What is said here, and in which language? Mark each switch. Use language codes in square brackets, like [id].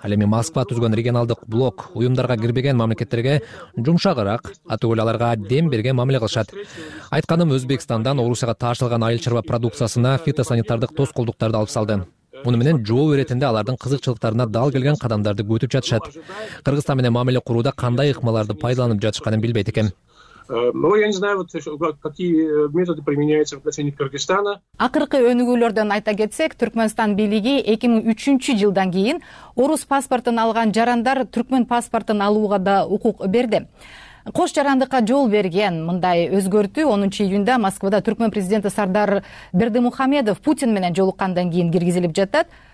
[ky] Ал эми Москва түзгөн регионалдык блок уюмдарга кирбеген мамлекеттерге жумшагыраак, атөгөл аларга дем берген мамиле кылышат. Айтканым, Өзбекстандан Орусияга таашылган айыл чарба продукциясына фитосанитардык тоскоолдуктарды алып салды. Муну менен жооп иретинде алардын кызыкчылыктарына дал келген кадамдарды күтүп жатышат. Кыргызстан менен мамиле курууда кандай ыкмаларды пайдаланып жатышканын билбейт экен. [ru] Ну, я не знаю, вот, какие методы применяются в отношении Кыргызстана. [ky] Акыркы өнүгүүлөрдөн айта кетсек, Түркмөнстан бийлиги 2003 жылдан кийин орус паспортун алган жарандар түркмөн паспортун алууга да укук берди. Кош жарандыкка жол берген мындай өзгөртүү 10 июнда Москвада түркмөн президенти Сардар Бердимухамедов Путин менен жолуккандан кийин киргизилип жатат.